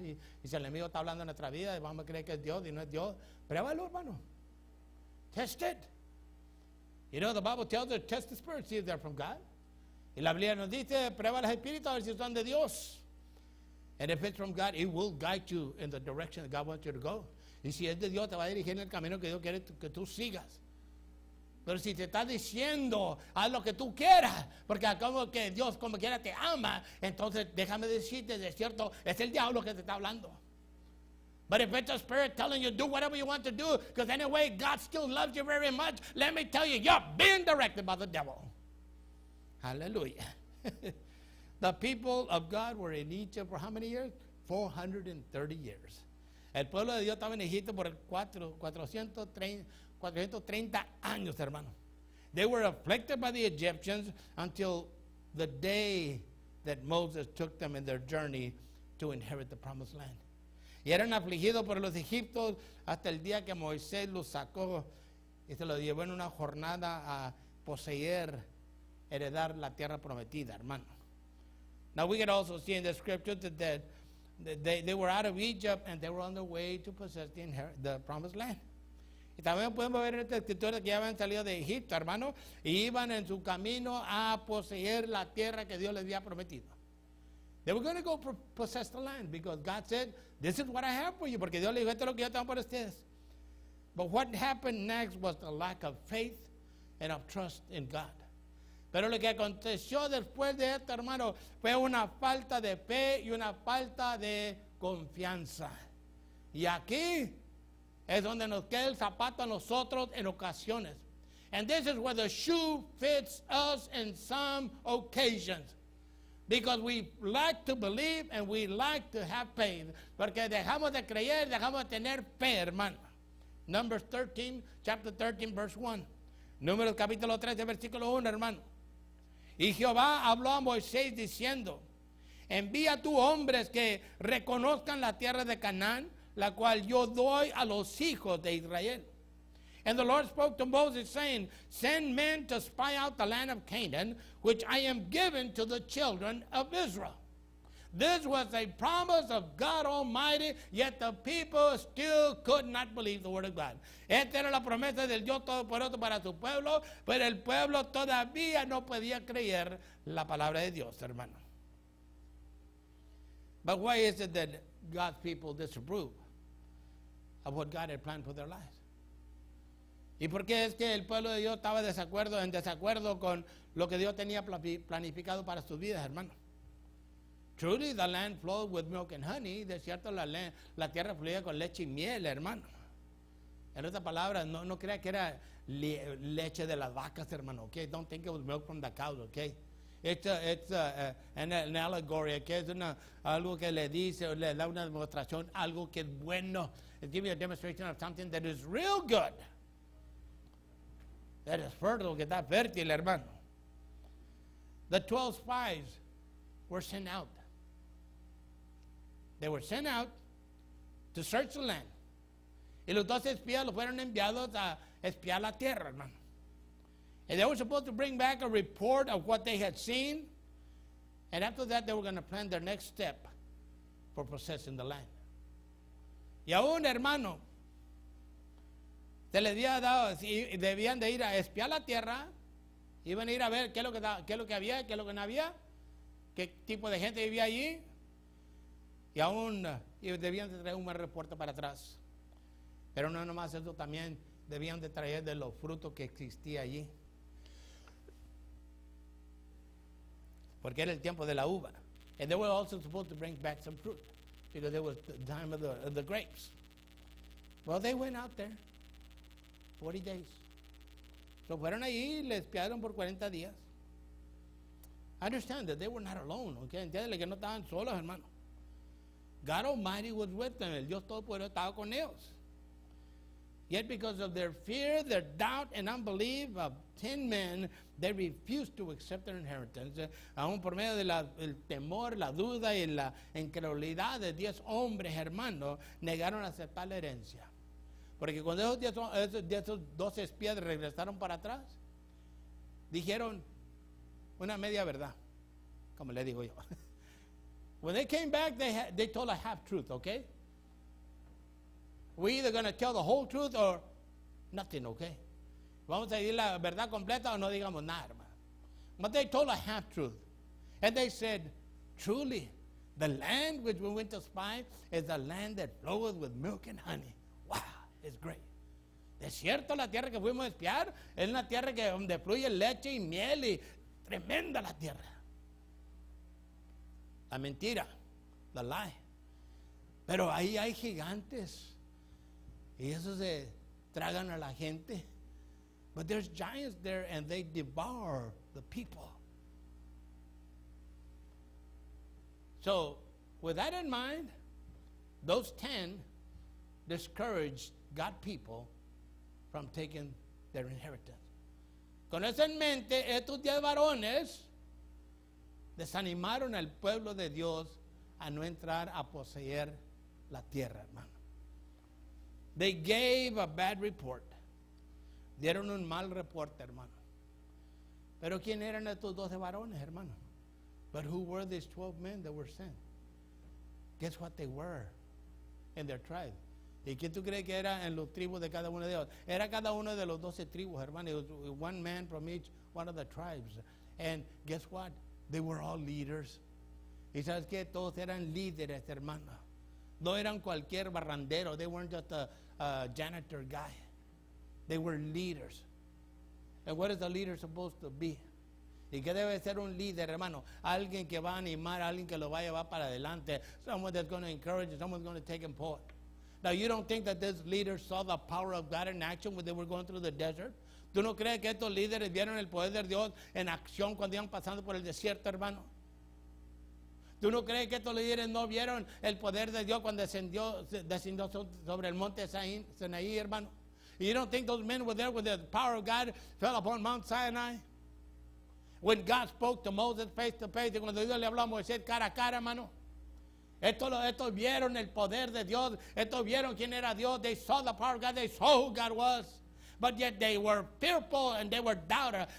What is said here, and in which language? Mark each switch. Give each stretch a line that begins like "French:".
Spanish: Y si el enemigo está hablando en nuestra vida, vamos a creer que es Dios y no es Dios. Pruébalo, hermano.
English: Test it. You know, the Bible tells us, test the spirit, see if they're from God.
Spanish: Y la Biblia nos dice, prueba los espíritus, a ver si son de Dios.
English: And if it's from God, it will guide you in the direction that God wants you to go.
Spanish: Y si es de Dios, te va a dirigir en el camino que Dios quiere que tú sigas. Pero si te está diciendo, haz lo que tú quieras, porque como que Dios como quiera te ama, entonces déjame decirte, de cierto, es el diablo que te está hablando.
English: But if it's the spirit telling you, do whatever you want to do, because anyway, God still loves you very much, let me tell you, you're being directed by the devil. Hallelujah. The people of God were in Egypt for how many years? 430 years.
Spanish: El pueblo de Dios estaba en Egipto por 430 años, hermano.
English: They were afflicted by the Egyptians until the day that Moses took them in their journey to inherit the promised land.
Spanish: Y eran afligidos por los egipcios hasta el día que Moisés los sacó y se los llevó en una jornada a poseer, heredar la tierra prometida, hermano.
English: Now we can also see in the scripture that they were out of Egypt and they were on their way to possess the promised land.
Spanish: Y también podemos ver en estas escrituras que ya habían salido de Egipto, hermano, y iban en su camino a poseer la tierra que Dios les había prometido.
English: They were going to go possess the land because God said, this is what I have for you.
Spanish: Porque Dios le dijo, esto es lo que yo tengo para ustedes.
English: But what happened next was the lack of faith and of trust in God.
Spanish: Pero lo que aconteció después de esto, hermano, fue una falta de fe y una falta de confianza. Y aquí es donde nos queda el zapato a nosotros en ocasiones.
English: And this is where the shoe fits us in some occasions. Because we like to believe and we like to have faith.
Spanish: Porque dejamos de creer, dejamos de tener fe, hermano.
English: Numbers 13, chapter 13, verse 1.
Spanish: Números capítulo 13, versículo 1, hermano. Y Jehová habló a Moisés diciendo, envía tú hombres que reconozcan la tierra de Canaán, la cual yo doy a los hijos de Israel.
English: And the Lord spoke to Moses, saying, send men to spy out the land of Canaan, which I am given to the children of Israel. This was a promise of God Almighty, yet the people still could not believe the word of God.
Spanish: Esta era la promesa del Dios Todopoderoso para su pueblo, pero el pueblo todavía no podía creer la palabra de Dios, hermano.
English: But why is it that God's people disapprove of what God had planned for their lives?
Spanish: ¿Y por qué es que el pueblo de Dios estaba en desacuerdo con lo que Dios tenía planificado para sus vidas, hermano?
English: Truly, the land flowed with milk and honey.
Spanish: De cierto, la tierra fluía con leche y miel, hermano. En otras palabras, no crea que era leche de las vacas, hermano.
English: Okay, don't think it was milk from the cows, okay? It's an allegory,
Spanish: que es algo que le dice, le da una demostración, algo que es bueno.
English: It gives you a demonstration of something that is real good. That is fertile,
Spanish: que está fértil, hermano.
English: The 12 spies were sent out. They were sent out to search the land.
Spanish: Y los 12 espías los fueron enviados a espiar la tierra, hermano.
English: And they were supposed to bring back a report of what they had seen. And after that, they were going to plan their next step for possessing the land.
Spanish: Y aún, hermano, se les había dado, si debían de ir a espiar la tierra, iban a ir a ver qué es lo que había, qué es lo que no había, qué tipo de gente vivía allí. Y aún debían de traer un buen reporte para atrás. Pero no nomás eso, también debían de traer de los frutos que existía allí. Porque era el tiempo de la uva.
English: And they were also supposed to bring back some fruit. Because it was the time of the grapes. Well, they went out there. 40 days.
Spanish: So fueron ahí y le espiaron por 40 días.
English: I understand that they were not alone. Okay?
Spanish: Entiéndele que no estaban solos, hermano.
English: God Almighty was with them.
Spanish: El Dios Todopoderoso estaba con ellos.
English: Yet because of their fear, their doubt, and unbelief of 10 men, they refused to accept their inheritance.
Spanish: Aún por medio del temor, la duda y la incredulidad de 10 hombres, hermano, negaron aceptar la herencia. Porque cuando esos 12 espías regresaron para atrás, dijeron una media verdad, como le digo yo.
English: When they came back, they told a half truth, okay? We're either going to tell the whole truth or nothing, okay?
Spanish: Vamos a decir la verdad completa o no digamos nada, hermano.
English: But they told a half truth. And they said, truly, the land which we went to spy is a land that floweth with milk and honey. Wow, it's great.
Spanish: De cierto, la tierra que fuimos a espiar es una tierra que donde fluye leche y miel, y tremenda la tierra. La mentira,
English: the lie.
Spanish: Pero ahí hay gigantes. Y eso se tragan a la gente.
English: But there's giants there and they devour the people. So, with that in mind, those 10 discouraged God's people from taking their inheritance.
Spanish: Con eso en mente, estos 10 varones desanimaron al pueblo de Dios a no entrar a poseer la tierra, hermano.
English: They gave a bad report.
Spanish: Dieron un mal reporte, hermano. Pero ¿quién eran estos 12 varones, hermano?
English: But who were these 12 men that were sent? Guess what they were in their tribe.
Spanish: ¿Y qué tú crees que era en los tribus de cada uno de ellos? Era cada uno de los 12 tribus, hermano.
English: One man from each one of the tribes. And guess what? They were all leaders.
Spanish: ¿Y sabes qué? Todos eran líderes, hermano. No eran cualquier barrandero.
English: They weren't just a janitor guy. They were leaders. And what is a leader supposed to be?
Spanish: ¿Y qué debe ser un líder, hermano? Alguien que va a animar, alguien que lo va a llevar para adelante.
English: Someone that's going to encourage, someone that's going to take him forward. Now, you don't think that these leaders saw the power of God in action when they were going through the desert?
Spanish: ¿Tú no crees que estos líderes vieron el poder de Dios en acción cuando iban pasando por el desierto, hermano? ¿Tú no crees que estos líderes no vieron el poder de Dios cuando descendió sobre el monte Sinaí, hermano?
English: You don't think those men were there when the power of God fell upon Mount Sinai? When God spoke to Moses face to face,
Spanish: y cuando Dios le habló a Moisés cara a cara, hermano. Estos vieron el poder de Dios. Estos vieron quién era Dios.
English: They saw the power of God. They saw who God was. But yet they were fearful and they were doubters.